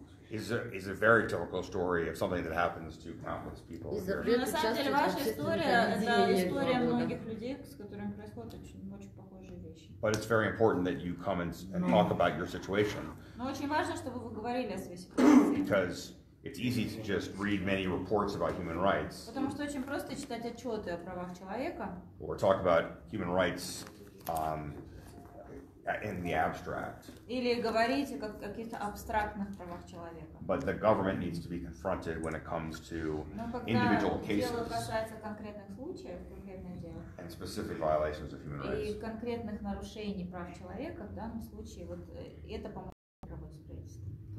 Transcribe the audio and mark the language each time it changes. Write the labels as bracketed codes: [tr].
[en] is a very typical story of something that happens to countless people. [ru] На самом деле ваша история — это история многих людей, с которыми происходят очень похожие вещи. [en] But it's very important that you come and talk about your situation. [ru] Но очень важно, чтобы вы говорили о своей ситуации. [en] Because it's easy to just read many reports about human rights. [ru] Потому что очень просто читать отчеты о правах человека. [en] Or talk about human rights in the abstract. [ru] Или говорить о каких-то абстрактных правах человека. [en] But the government needs to be confronted when it comes to individual cases. [ru] Но когда дело касается конкретных случаев, конкретных дел. [en] And specific violations of human rights. [ru] И конкретных нарушений прав человека, в данном случае вот это поможет работать с правительством.